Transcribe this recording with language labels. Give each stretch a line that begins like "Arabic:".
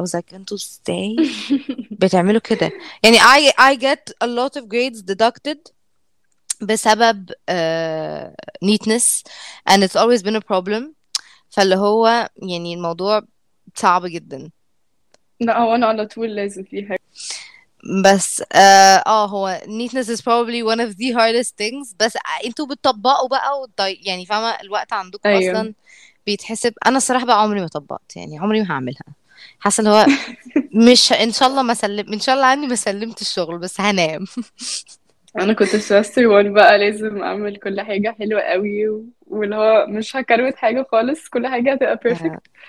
English: I was like
Arabic: انتوا ازاي بتعملوا كده؟ يعني
English: I get a lot of grades deducted
Arabic: بسبب
English: neatness and it's always been a problem.
Arabic: فاللي هو يعني الموضوع صعب جدا. لا هو انا على طول لازم في حاجة بس هو
English: neatness is probably one of the hardest things.
Arabic: بس انتوا بتطبقوا بقى يعني فاهمة الوقت عندكم ايوه اصلا بيتحسب. انا الصراحة بقى عمري ما طبقت, يعني عمري ما هعملها. حاسة ان هو مش ان شاء الله ما سلم, ان شاء الله عني ما سلمت الشغل بس هنام. انا كنت في سيمستر 1 بقى لازم اعمل كل حاجه حلوه قوي واللي هو مش هكروت حاجه خالص، كل حاجه هتبقى بيرفكت.